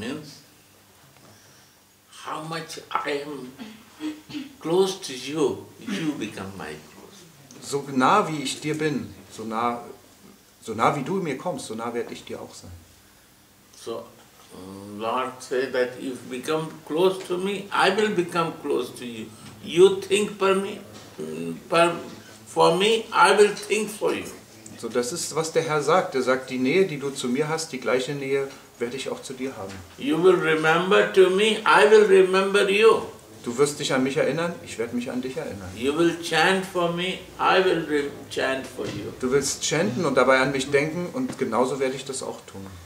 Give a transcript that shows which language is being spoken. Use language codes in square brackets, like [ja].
[en] Means how much I am close to you, you become my close. [de] So nah wie ich dir bin, so nah wie du mir kommst, so nah werde ich dir auch sein. [en] So Lord say that if you become close to me, I will become close to you. You think for me, I will think for you. [de] So das ist, was der Herr sagt. Er sagt, die Nähe, die du zu mir hast, die gleiche Nähe werde ich auch zu dir haben. [en] You will remember to me, I will remember you. [de] Du wirst dich an mich erinnern, ich werde mich an dich erinnern. [en] You will chant for me, I will chant for you. [de] Du willst chanten und dabei an mich denken und genauso werde ich das auch tun.